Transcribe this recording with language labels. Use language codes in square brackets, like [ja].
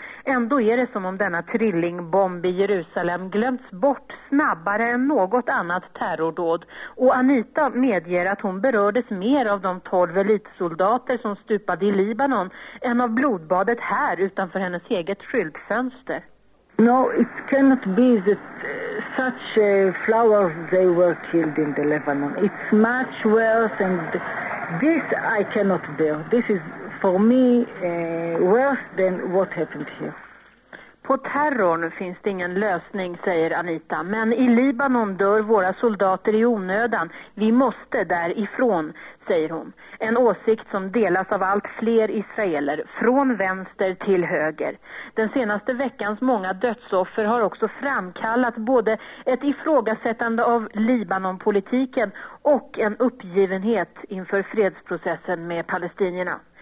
[sv] Ändå är det som om denna trillingbomb i Jerusalem glömts bort snabbare än något annat terrordåd. Och Anita medger att hon berördes mer av de 12 elitsoldater som stupade i Libanon än av blodbadet här utanför hennes eget skyltfönster. [en] No, it cannot be that such flowers they were killed in the Lebanon. It's much worse and this I cannot bear. This is for me worse than what happened here. [sv] På terrorn finns det ingen lösning, säger Anita. Men i Libanon dör våra soldater i onödan. Vi måste därifrån, säger hon. En åsikt som delas av allt fler israeler, från vänster till höger. Den senaste veckans många dödsoffer har också framkallat både ett ifrågasättande av Libanonpolitiken och en uppgivenhet inför fredsprocessen med palestinierna.